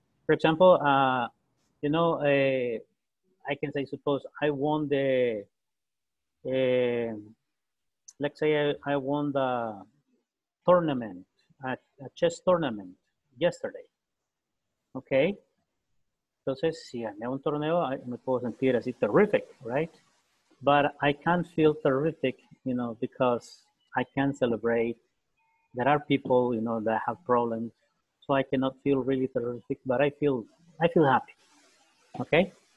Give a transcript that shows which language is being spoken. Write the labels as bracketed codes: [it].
[en] For example, you know, I can say, suppose I won the, let's say I won the tournament, a chess tournament yesterday. Okay. [es] Entonces, si gané un torneo, me puedo sentir así terrific, right? [en] But I can't feel terrific, you know, because I can't celebrate. There are people, you know, that have problems. So I cannot feel really terrific, but I feel happy, okay?